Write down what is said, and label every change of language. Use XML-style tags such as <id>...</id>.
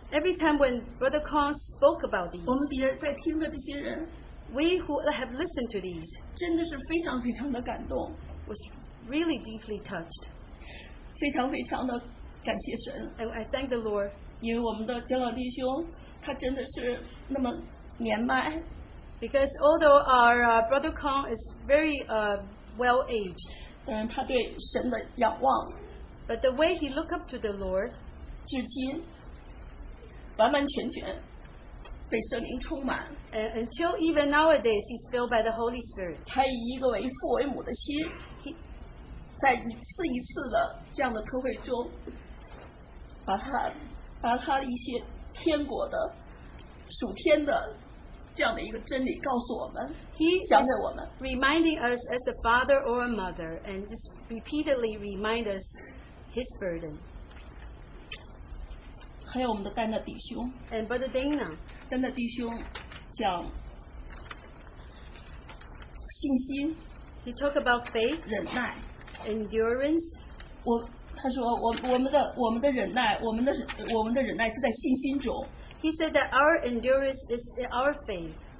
<en>every time when Brother Kong spoke about these,</en> <zh>我们别人在听的这些人，</zh> <en>we who have listened to these,</en> <zh>真的是非常非常的感动。</zh> <en>Really deeply touched.</en> <zh>非常非常的感谢神,</zh> <en>and I thank the Lord.</en> <zh>因为我们的长老弟兄, 他真的是那么年迈,</zh> <en>because although our Brother Kong is very well aged,</en> <zh>他对神的仰望,</zh> <en>but the way he looked up to the Lord,</en> <zh>至今, 完完全全, 被圣灵充满,</zh> <en>and until even nowadays, he's filled by the Holy Spirit.</en> <zh>他以一个为父为母的心, 在一次一次的这样的特会中， 把他一些天国的属天的这样的一个真理告诉我们，讲给我们。</zh> <en>He is reminding us as a father or a mother, and just repeatedly remind us his burden.</en> <zh>还有我们的丹娜弟兄，</zh> <en>and Brother Dana,</en> <zh>丹娜弟兄讲信心，</zh> <en>he talked about faith,</en> <zh>忍耐，</zh> <en>endurance.</en> <zh>他说我们的忍耐是在信心中。</zh> <en>He said that our endurance is in our faith.</en>